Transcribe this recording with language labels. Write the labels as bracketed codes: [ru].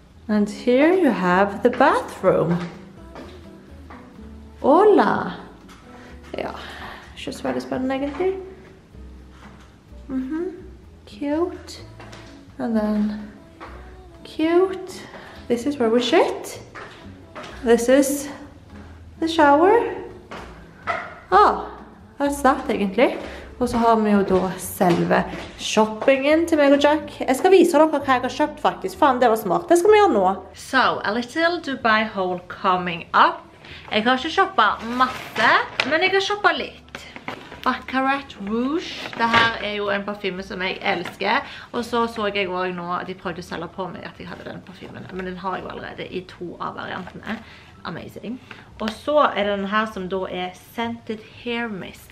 [en] And here you have the bathroom. [es] Hola. [no] Ja, ikke så veldig spennende, egentlig. [en] Cute. And then cute. This is where we shit. This is the shower. Ah, that's that [no] egentlig. Og så har vi jo da selve shoppingen til meg og Jack. Jeg skal vise dere hva jeg har kjøpt faktisk. Faen, det var smart. Det skal vi gjøre nå. [en] So, a little Dubai haul coming up. [no] Jeg har ikke kjøpet masse, men jeg har kjøpet litt. Baccarat Rouge. Dette er jo en parfyme som jeg elsker. Og så så jeg også nå, de prøvde å selge på meg at jeg hadde den parfymen. Men den har jeg jo allerede i to av variantene. Amazing. Og så er det denne som da er Scented Hair Mist.